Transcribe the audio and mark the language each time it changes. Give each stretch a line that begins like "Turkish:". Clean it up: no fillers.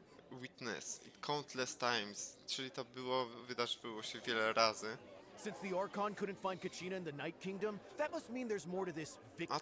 English: Witness it countless times.
Polish: Czyli to było, wydarzyło się wiele razy.
English: Since the Archon couldn't find Kachina in the Night Kingdom, that must mean there's more to this victory.